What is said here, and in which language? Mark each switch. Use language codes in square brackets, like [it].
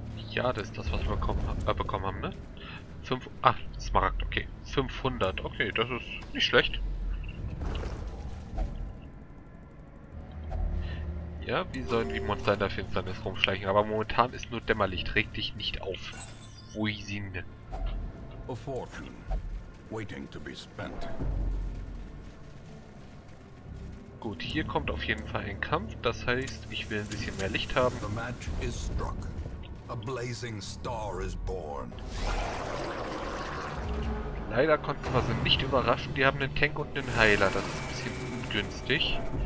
[de] Ja, das ist das, was wir bekommen haben, ne? 5. Ah, Smaragd, okay. 500, okay, das ist nicht schlecht. Ja, wie sollen die Monster in der Finsternis rumschleichen? Aber momentan ist nur Dämmerlicht. Reg dich nicht auf. Wuisin. [en] A fortune waiting to be spent. [de] Gut, hier kommt auf jeden Fall ein Kampf. Das heißt, ich will ein bisschen mehr Licht haben. [en] The match is struck. A blazing star is born. [de] Leider konnten wir sie nicht überraschen. Die haben einen Tank und einen Heiler. Das ist ein bisschen ungünstig.